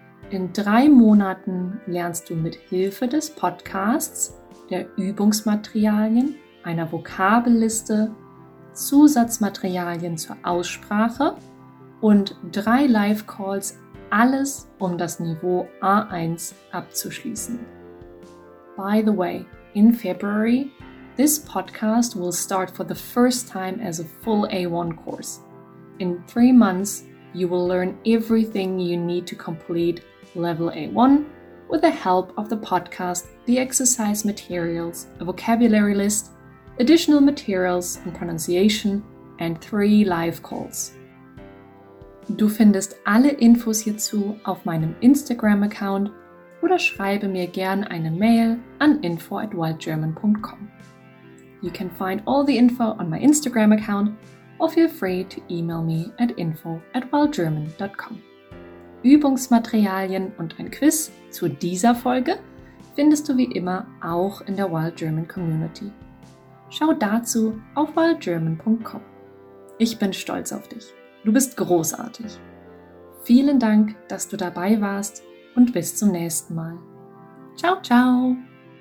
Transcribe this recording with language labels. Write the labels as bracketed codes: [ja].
[de] In 3 Monaten lernst du mit Hilfe des Podcasts, der Übungsmaterialien, einer Vokabelliste, Zusatzmaterialien zur Aussprache und 3 Live-Calls, alles um das Niveau A1 abzuschließen. [en] By the way, in February, this podcast will start for the first time as a full A1 course. In 3 months, you will learn everything you need to complete level A1 with the help of the podcast, the exercise materials, a vocabulary list, additional materials on pronunciation and 3 live calls. [de] Du findest alle Infos hierzu auf meinem Instagram-Account oder schreibe mir gern eine Mail an info@wildgerman.com. [en] You can find all the info on my Instagram account or feel free to email me at info@wildgerman.com. [de] Übungsmaterialien und ein Quiz zu dieser Folge findest du wie immer auch in der Wild German Community. Schau dazu auf wildgerman.com. Ich bin stolz auf dich. Du bist großartig. Vielen Dank, dass du dabei warst und bis zum nächsten Mal. Ciao, ciao!